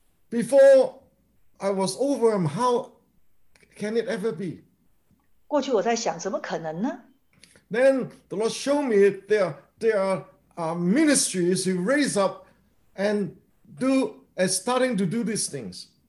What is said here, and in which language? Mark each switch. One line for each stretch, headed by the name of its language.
English: Before I was overwhelmed, how can it ever be?
Chinese: 过去我在想怎么可能呢?
English: Then the Lord showed me there are ministries who raise up and are starting to do these things.